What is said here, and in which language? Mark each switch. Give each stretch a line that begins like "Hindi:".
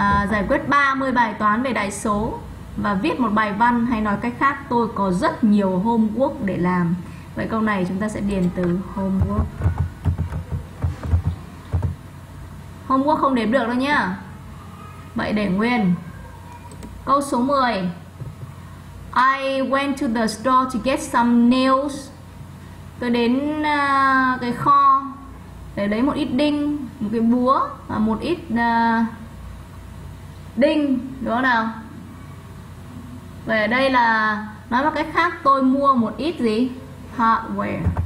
Vietnamese: Giải quyết 30 bài toán về đại số và viết một bài văn, hay nói cách khác tôi có rất nhiều homework để làm. Vậy câu này chúng ta sẽ điền từ homework. Homework không đếm được đâu nhá. Vậy để nguyên. Câu số 10.
English: I went to the store to get some nails.
Vietnamese: Tôi đến cái kho để lấy một ít đinh, một cái búa và một ít đinh, đúng không nào? Vậy ở đây là nói một cách khác tôi mua một ít gì? Hardware.